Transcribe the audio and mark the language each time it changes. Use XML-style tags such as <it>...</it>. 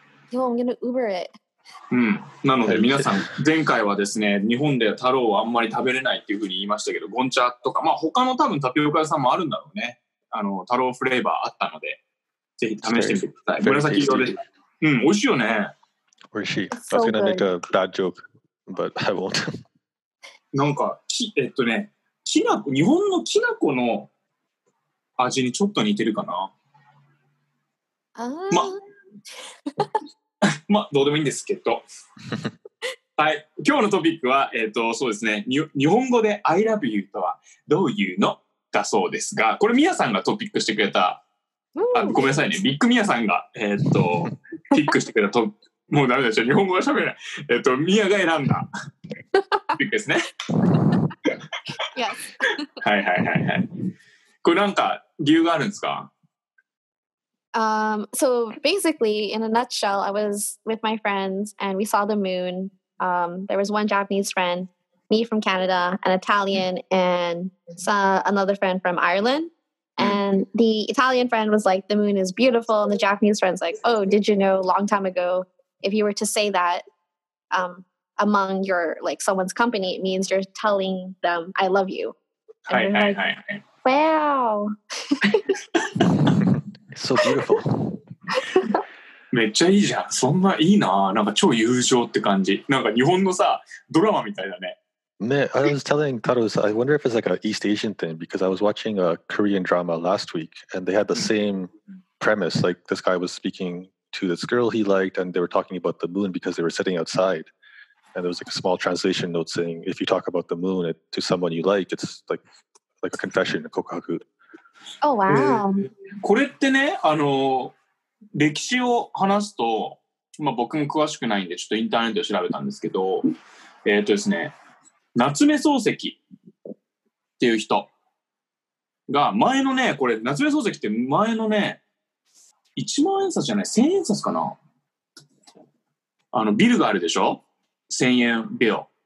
<en>Yo, I'm gonna Uber it.</en> <ja>うん。なので皆さん、前回はですね、日本でタローはあんまり食べれないっていうふうに言いましたけど、ゴンチャとか、まあ他の多分タピオカ屋さんもあるんだろうね。タローフレーバーあったので、ぜひ試してみてください。紫色です。うん、美味しいよね。美味しい。</ja> <en>I was gonna make a bad joke, but I won't.</en> <ja>なんか、きな粉、日本のきな粉の味にちょっと似てるかな。ま、ま、どうでもいいんですけど。はい、今日のトピックは、そうですね、日本語で</ja> <en>I love you</en> <ja>とはどういうのだそうですが、これミヤさんがトピックしてくれた、あ、ごめんなさいね、ビッグミヤさんが、ピックしてくれたトピック。もうダメでしょ、日本語が喋れない。ミヤが選んだピックですね。</ja> <en>Yes.</en> <ja>はいはいはいはい。これなんか理由があるんですか？</ja> <en>So basically, in a nutshell, I was with my friends and we saw the moon. There was one Japanese friend, me from Canada, an Italian, and another friend from Ireland. And the Italian friend was like, the moon is beautiful. And the Japanese friend's like, oh, did you know long time ago, if you were to say that among your, like, someone's company, it means you're telling them, I love you. And hi, hi, like, hi. Wow. So beautiful.</en> <ja>めっちゃいいじゃん。そんないいな。なんか超友情って感じ。なんか日本のさ、ドラマみたいだね。</ja> <en>Man, I was telling Taro, I wonder if it's like an East Asian thing, because I was watching a Korean drama last week, and they had the same premise. Like, this guy was speaking to this girl he liked, and they were talking about the moon because they were sitting outside. And there was like a small translation note saying, if you talk about the moon to someone you like, it's like a confession, a kokaku. Oh, wow.</en> <ja>これってね、歴史を話すと、まあ、僕も詳しくないんで、ちょっとインターネットで調べたんですけど、ですね、夏目漱石っていう人が前のね、これ夏目漱石って前のね、1万円札じゃない、1000円札かな、ビルがあるでしょ、1000円ビル。</ja>